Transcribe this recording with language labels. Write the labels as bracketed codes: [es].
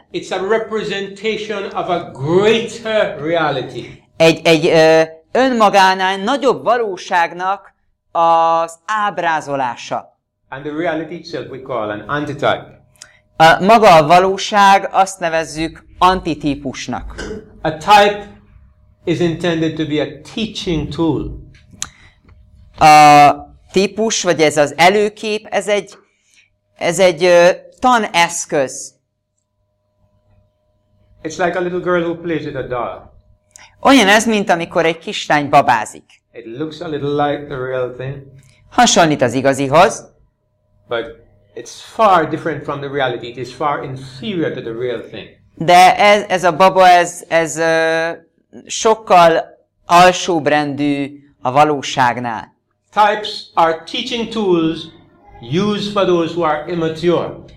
[en] It's a representation of a greater reality. [hu] Egy önmagánál nagyobb valóságnak az ábrázolása. [en] And the reality itself we call an antitype. [hu] Maga a valóság, azt nevezzük antitípusnak. [en] A type is intended to be a teaching tool. [hu] A típus, vagy ez az előkép, ez egy taneszköz. [en] It's like a little girl who plays with a doll. [hu] Olyan ez, mint amikor egy kislány babázik. [en] It looks a little like the real thing. [hu] Hasonlít az igazihoz. [en] But it's far different from the reality. It is far inferior to the real thing. [hu] De ez a baba ez sokkal alsóbb rendű a valóságnál. [en] Types are teaching tools used for those who are immature.